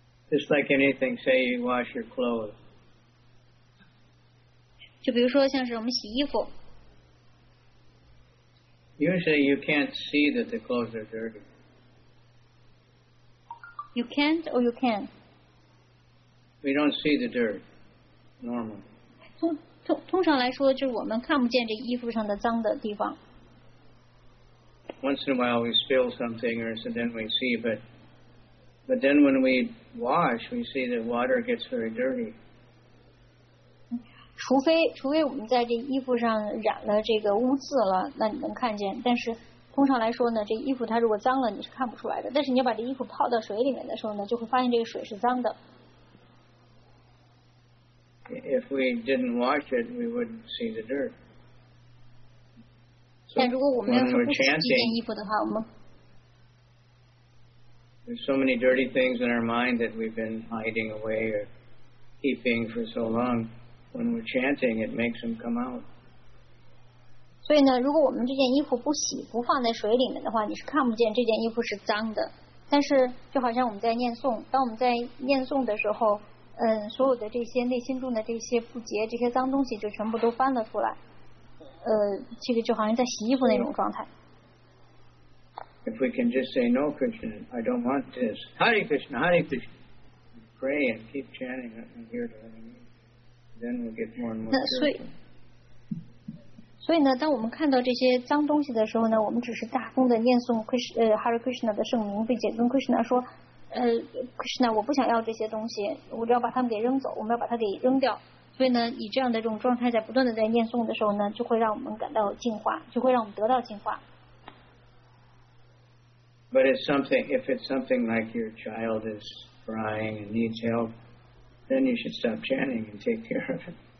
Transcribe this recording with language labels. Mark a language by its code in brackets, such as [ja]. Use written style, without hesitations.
[en] Just like anything, say you wash your clothes. [zh] 就比如说像是我们洗衣服。 [en] Usually you can't see that the clothes are dirty. You can't or you can? We don't see the dirt, normally. [zh] 通常来说，就是我们看不见这衣服上的脏的地方。 [en] Once in a while we spill something or so then we see, but then when we wash, we see that water gets very dirty. [zh] 除非我们在这衣服上染了这个污渍了，那你能看见。但是通常来说呢，这衣服它如果脏了，你是看不出来的。但是你要把这衣服泡到水里面的时候呢，就会发现这个水是脏的。 [en] If we didn't wash it, we wouldn't see the dirt. [zh] 但如果我们要是不洗这件衣服的话，我们。 [en] There's so many dirty things in our mind that we've been hiding away or keeping for so long. When we're chanting, it makes them come out. [zh] 所以呢，如果我们这件衣服不洗，不放在水里面的话，你是看不见这件衣服是脏的。但是，就好像我们在念诵，当我们在念诵的时候，嗯，所有的这些内心中的这些不洁、这些脏东西就全部都翻了出来。这个就好像在洗衣服那种状态。 [en] If we can just say no, Krishna, I don't want this. Hare Krishna, Hare Krishna. Pray and keep chanting and hear the name. Then we'll get more and more. [zh] 那所以呢，当我们看到这些脏东西的时候呢，我们只是大声的念诵 Hare Krishna 的圣名，并且跟 Krishna 说，Krishna， 我不想要这些东西，我只要把它们给扔走，我们要把它给扔掉。所以呢，以这样的这种状态，在不断的在念诵的时候呢，就会让我们感到净化，就会让我们得到净化。 [en] But it's something, if it's something like your child is crying and needs help, then you should stop chanting and take care of it.